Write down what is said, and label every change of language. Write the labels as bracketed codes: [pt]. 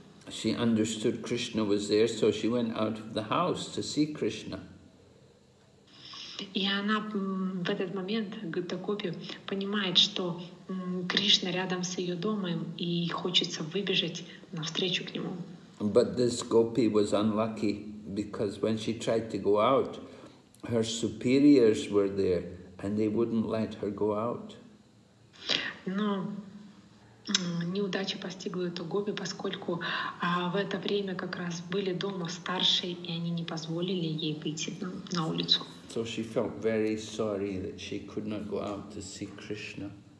[en] She understood Krishna was there, so she went out of the house to see Krishna. [ru] И она в этот момент, Гопи, понимает, что Кришна рядом с ее домом, и хочется выбежать навстречу к нему. [en] But this gopi was unlucky, because when she tried to go out, her superiors were there, and they wouldn't let her go out. [ru] Но неудача постигла эту гопи, поскольку в это время как раз были дома старшие, и они не позволили ей выйти на улицу. [en] So she felt very sorry that she could not go out to see Krishna.